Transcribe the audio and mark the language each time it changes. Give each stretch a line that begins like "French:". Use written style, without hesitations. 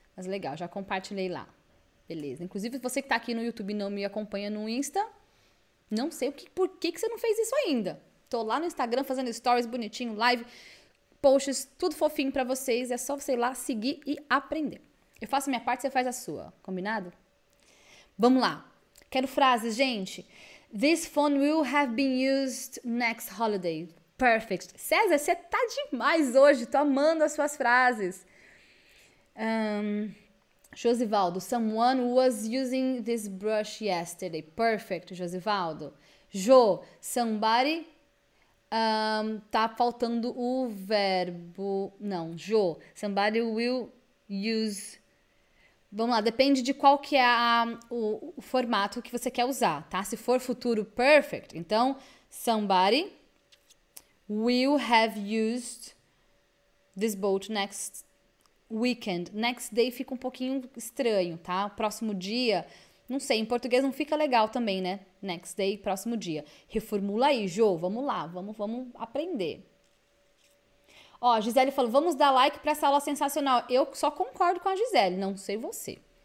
Portuguese: Mas legal, já compartilhei lá. Beleza. Inclusive, você que tá aqui no YouTube e não me acompanha no Insta, não sei por que você não fez isso ainda. Tô lá no Instagram fazendo stories bonitinho, live, posts, tudo fofinho para vocês. É só você ir lá, seguir e aprender. Eu faço a minha parte, você faz a sua. Combinado? Vamos lá. Quero frases, gente.
English: This phone will have been used next holiday.
Portuguese: Perfect. César, você tá demais hoje. Tô amando as suas frases.
English: Josivaldo, someone was using this brush yesterday. Perfect, Josivaldo. Jo, somebody...
Portuguese: tá faltando o verbo... Não, Jo.
English: Somebody will use...
Portuguese: Vamos lá, depende de qual que é o formato que você quer usar, tá? Se for futuro, perfect.
English: Então, somebody will have used this boat next weekend.
Portuguese: Next day fica um pouquinho estranho, tá? Próximo dia, não sei, em português não fica legal também, né? Next day, próximo dia. Reformula aí, Jo, vamos lá, vamos aprender. Ó, a Gisele falou, vamos dar like pra essa aula sensacional. Eu só concordo com a Gisele, não sei você.